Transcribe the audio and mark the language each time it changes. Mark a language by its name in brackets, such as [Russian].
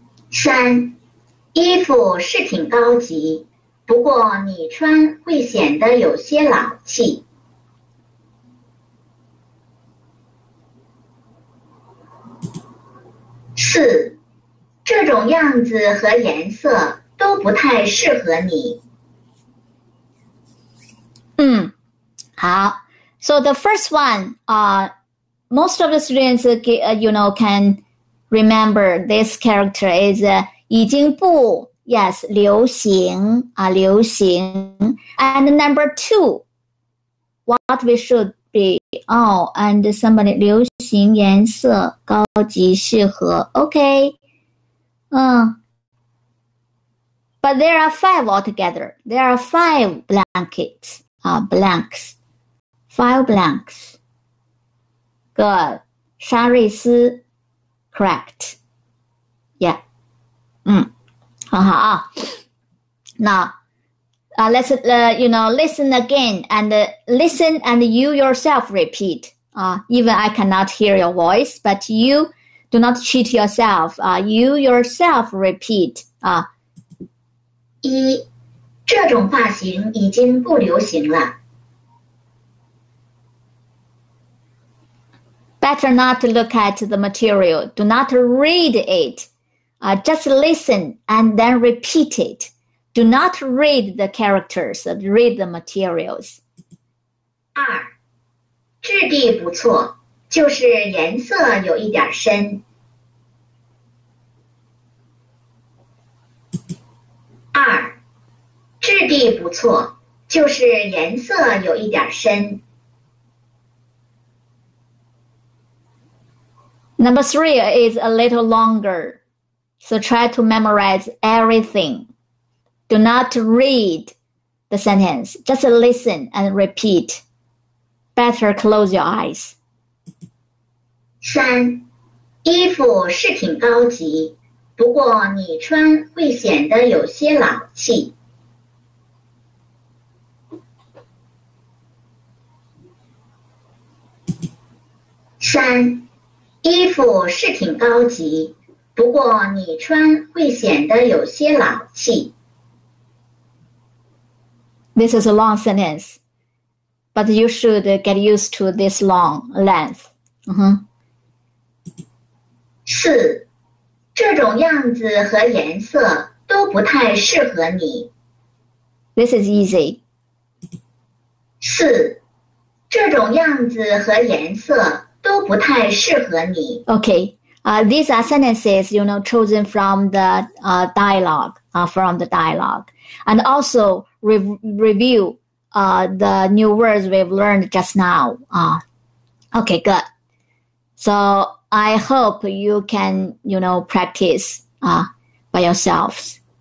[Chinese] 三，衣服是挺高级，不过你穿会显得有些老气。四，这种样子和颜色都不太适合你。嗯，好。 [English] So the first one, most of the students, you know, can remember this character is a [Chinese] 已经不 [English] yes [Chinese] 流行啊流行 [English] and number two what we should be oh and somebody [Chinese] 流行颜色高级适合 [English] okay but there are five altogether there are five blankets blanks five blanks good 沙瑞斯 correct yeah. [Chinese] 好好啊 [English] Now, listen again and listen and you yourself repeat. Even I cannot hear your voice, but you do not cheat yourself. You yourself repeat. [Chinese] 一，这种发型已经不流行了。 [English] Better not to look at the material. Do not read it. Just listen and then repeat it. Do not read the characters, read the materials. [Chinese] 二，质地不错，就是颜色有一点深。二，质地不错，就是颜色有一点深。 [English] Number three is a little longer, so try to memorize everything. Do not read the sentence, just listen and repeat. Better close your eyes. [Chinese] 三，衣服是挺高级，不过你穿会显得有些老气。三，衣服是挺高级，不过你穿会显得有些老气。 [English] This is a long sentence, but you should get used to this long length. [Chinese] 四，这种样子和颜色都不太适合你。 [English] This is easy. [Chinese] 四，这种样子和颜色都不太适合你。 [English] Okay. These are sentences, you know, chosen from the dialogue. And also review the new words we've learned just now. Okay, good. So I hope you can, you know, practice by yourselves.